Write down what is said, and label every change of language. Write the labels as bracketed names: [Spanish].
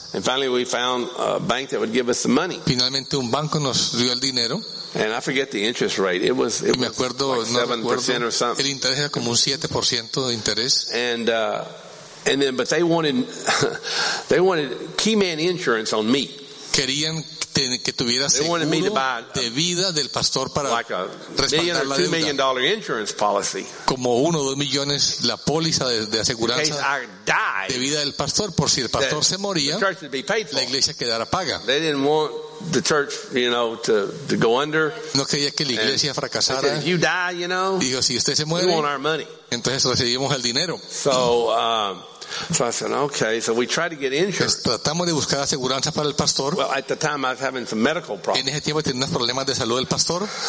[English] And finally we found a bank that would give us the money. [Spanish] Finalmente un banco nos dio el dinero. [English] And I forget the interest rate. It was, [Spanish] me acuerdo, [English] like 7% or something. [Spanish] El interés era como un 7% de interés. [English] And then, but they wanted key man insurance on me. [Spanish] Querían que tuviera seguro de vida del pastor para respaldar la deuda. [English] $2 million insurance policy. [Spanish] Como 1 o 2 millones la póliza de aseguranza de vida del pastor, por si el pastor se moría, la iglesia quedara paga. [English] They didn't want the church, you know, to go under. [Spanish] No quería que la iglesia [English] and [Spanish] fracasara. [English] Said, if you die, you know, [Spanish] dijo, si usted se muere, [English] we want our money. [Spanish] Entonces recibimos el dinero. [English] So, so I said, okay, so we tried to get insurance. [Spanish] Tratamos de buscar aseguranza para el pastor. [English] Well, at the time I was having some medical problems. [Spanish] En ese tiempo tenía unos problemas de salud el pastor.